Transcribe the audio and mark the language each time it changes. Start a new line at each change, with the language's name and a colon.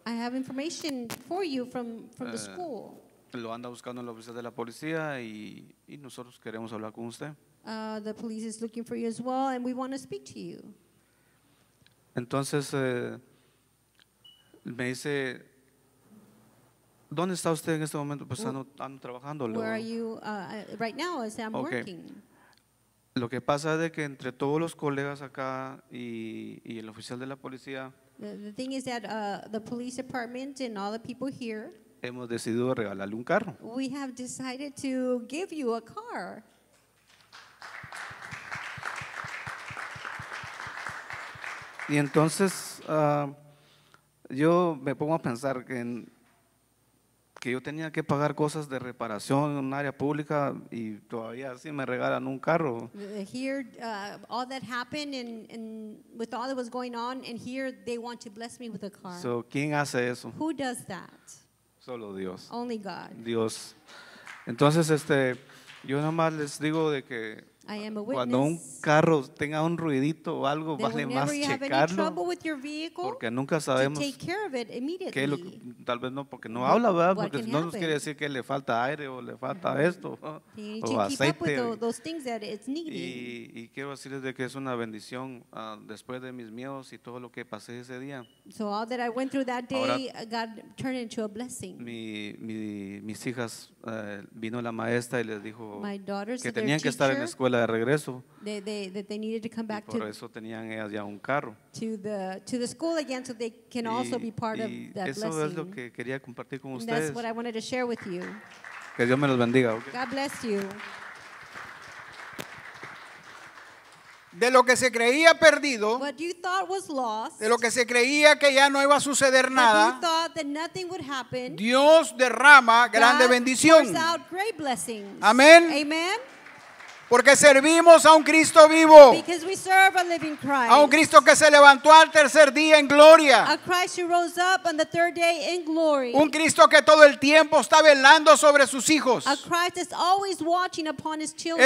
English: I have information for you from the school.
Spanish: Lo anda buscando en la oficina de la policía y nosotros queremos hablar con usted.
English: The police is looking for you as well and we want to speak to you.
Spanish: Entonces me dice, ¿dónde está usted en este momento? Pues ando trabajando.
English: Where are you right now? I say, I'm okay. Working.
Spanish: Lo que pasa es de que entre todos los colegas acá y el oficial de la policía,
English: the thing is that the police department and all the people here,
Spanish: hemos decidido regalarle un carro.
English: We have decided to give you a car.
Spanish: Y entonces yo me pongo a pensar que yo tenía que pagar cosas de reparación en un área pública y todavía así me regalan un carro.
English: Here, all that happened and with all that was going on, and here they want to bless me with a car.
Spanish: So, ¿quién hace eso?
English: Who does that?
Spanish: Solo Dios.
English: Only God.
Spanish: Dios. Entonces, yo nada más les digo de que cuando un carro tenga un ruidito o algo, vale más checarlo, porque nunca sabemos qué es lo que, tal vez no porque no habla, ¿verdad? Porque no nos quiere decir que le falta aire o le falta esto o aceite. Y quiero decirles de que es una bendición después de mis miedos y todo lo que pasé ese día.
English: So all that I went through that day, God turned into a blessing.
Spanish: Mis hijas, vino la maestra y les dijo que tenían que estar en la escuela de regreso.
English: They needed to come back
Spanish: por eso tenían ellas ya un carro.
English: To the school again, so they can also be part of that blessing.
Spanish: Eso es lo que quería compartir con ustedes.
English: That's what I wanted to share with you.
Spanish: Que Dios me los bendiga. Okay.
English: God bless you.
Spanish: De lo que se creía perdido,
English: what you thought was lost,
Spanish: de lo que se creía que ya no iba a suceder nada,
English: you thought that nothing would happen,
Spanish: Dios derrama
English: God
Spanish: grande bendición.
English: Pours out great blessings.
Spanish: Amén.
English: Amen.
Spanish: Porque servimos a un Cristo vivo.
English: Because we serve a living Christ.
Spanish: A un Cristo que se levantó al tercer día en gloria.
English: A Christ who rose up on the third day in glory.
Spanish: Un Cristo que todo el tiempo está velando sobre sus hijos.
English: A Christ that's always watching upon his children.